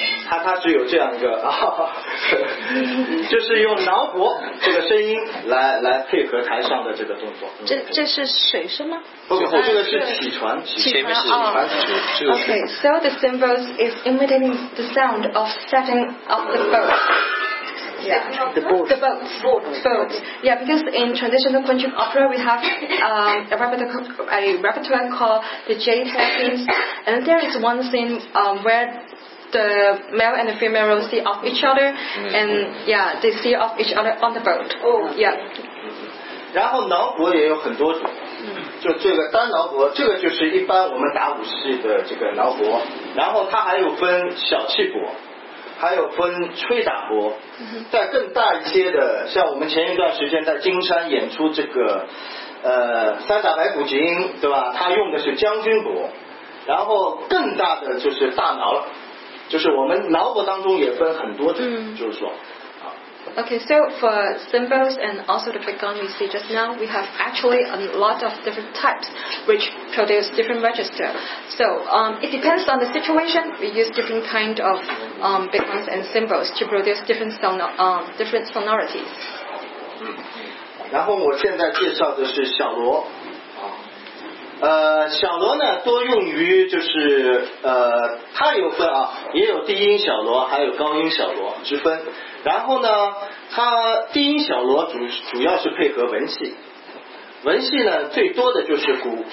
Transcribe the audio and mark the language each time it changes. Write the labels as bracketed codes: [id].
[zh] 它是有这样一个、啊、就是用脑搏这个声音来配合台上的这个动作、嗯、这是水声吗？不，这个是起船，起船。 [en] OK, so the symbols is imitating the sound of setting up the boat. The boat. Yeah, because in traditional Kunqun opera we have a repertoire called the jade headpiece, and there is one scene where the male and the female see off each other, and yeah, they see off each other on the boat. Oh, yeah. [zh] 然后脑搏也有很多种，就这个单脑搏，这个就是一般我们打武戏的这个脑搏。然后它还有分小气搏，还有分吹打搏。在更大一些的，像我们前一段时间在金山演出这个，三打白骨精，对吧？它用的是将军搏。然后更大的就是大脑了。就是我们脑搏当中也分很多种、mm-hmm. 就是说 [en] OK, so for cymbals and also the trigon we see just now, we have actually a lot of different types which produce different register. So it depends on the situation, we use different kind of trigons and cymbals to produce different, different sonorities. [zh] 然后我现在介绍的是小锣。小锣呢多用于就是它有分啊，也有低音小锣还有高音小锣之分。然后呢它低音小锣主要是配合文戏。文戏呢最多的就是古